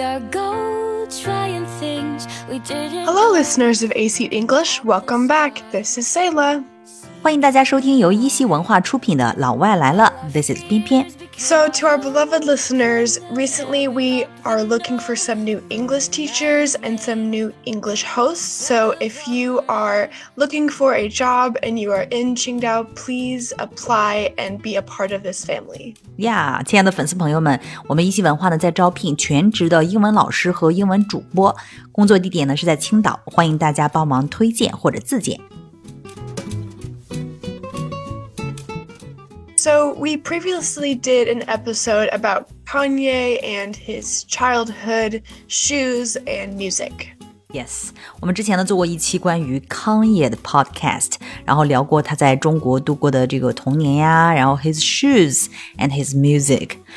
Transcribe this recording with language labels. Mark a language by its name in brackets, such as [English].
[English] go trying things we didn't. Hello, listeners of AC English. Welcome back. This is Sayla. [Chinese] 欢迎大家收听由一席文化出品的《老外来了》。 [English] This is 边边。 So to our beloved listeners, recently we are looking for some new English teachers and some new English hosts. So if you are looking for a job and you are in Qingdao, please apply and be a part of this family. [Chinese] Yeah, 亲爱的粉丝朋友们，我们一席文化呢在招聘全职的英文老师和英文主播，工作地点呢是在青岛，欢迎大家帮忙推荐或者自荐。 [English] So we previously did an episode about Kanye and his childhood shoes and music. [Chinese] Yes, 我们之前呢做过一期关于 Kanye 的 podcast, 然后聊过他在中国度过的这个童年呀，然后 [English] his shoes and his music.